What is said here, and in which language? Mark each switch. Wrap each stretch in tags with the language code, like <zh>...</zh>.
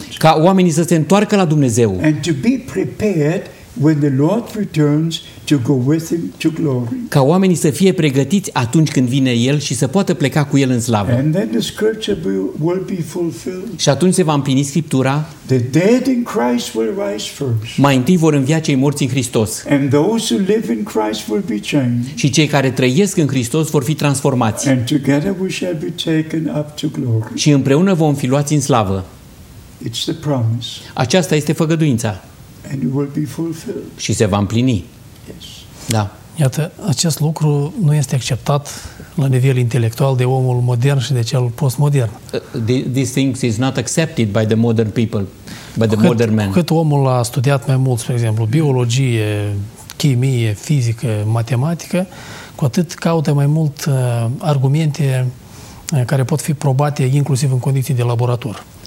<ro>Ca oamenii să se întoarcă la Dumnezeu.</ro> <en>And to be prepared when the Lord returns to go with him to glory.</en> <ro>Ca oamenii să fie pregătiți atunci când vine el și să poată pleca cu el în slavă.</ro> <en>And then the scripture will be fulfilled.</en> <ro>Și atunci se va împlini scriptura.</ro> <en>The dead in Christ will rise first.</en> <ro>Mai întâi vor învia cei morți în Hristos.</ro> <en>And those who live in Christ will be changed.</en> <ro>Și cei care trăiesc în Hristos vor fi transformați.</ro> <en>And together we shall be taken up to glory.</en> <ro>Și împreună vom fi luați în slavă.</ro> <en>It's the promise.</en> <ro>Aceasta este făgăduința.</ro> <en>And it will be fulfilled.</en> <ro>Și se va împlini.</ro> <en>Yes.</en> <ro>Da. Iată, acest lucru nu este acceptat la nivel intelectual de omul modern și de cel postmodern.</ro> <en>These things is not accepted by the modern people, by the modern man.</en> <ro>Cât omul a studiat mai mult, spre exemplu, biologie, chimie, fizică, matematică, cu atât caută mai mult argumente care pot fi probate inclusiv în condiții de laborator.</ro>